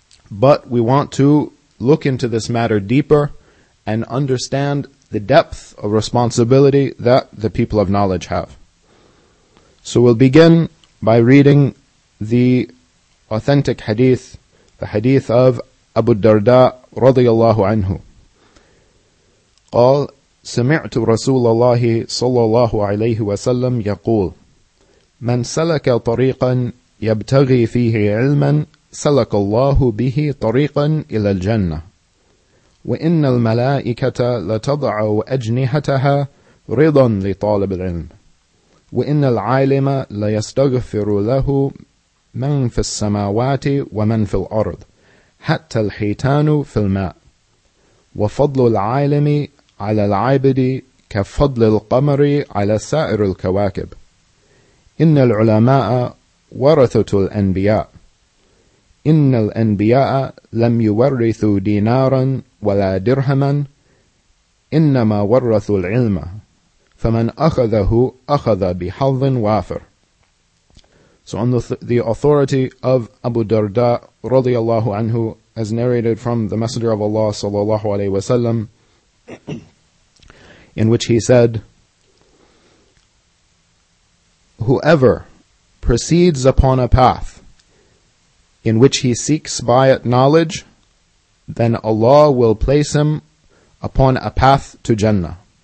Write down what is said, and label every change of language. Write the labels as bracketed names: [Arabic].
[English] But we want to look into this matter deeper and understand the depth of responsibility that the people of knowledge have. So we'll begin by reading the authentic hadith, the hadith of Abu الدرداء رضي الله عنه. [Arabic] قال سمعت رسول الله صلى الله عليه وسلم يقول من سلك طريقا يبتغي فيه علما سلك الله به طريقا إلى الجنة وإن الملائكة لتضع أجنحتها رضا لطالب العلم وإن العالم ليستغفر له من في السماوات ومن في الأرض حتى الحيتان في الماء وفضل العالم على العابد كفضل القمر على سائر الكواكب إن العلماء ورثة الأنبياء إن الأنبياء لم يورثوا دينارا ولا درهما إنما ورثوا العلم فمن أخذه أخذ بحظ وافر. [English] So on the authority of Abu Darda رضي الله عنه, as narrated from the Messenger of Allah صلى الله عليه وسلم, in which he said, whoever proceeds upon a path in which he seeks by it knowledge, then Allah will place him upon a path to Jannah.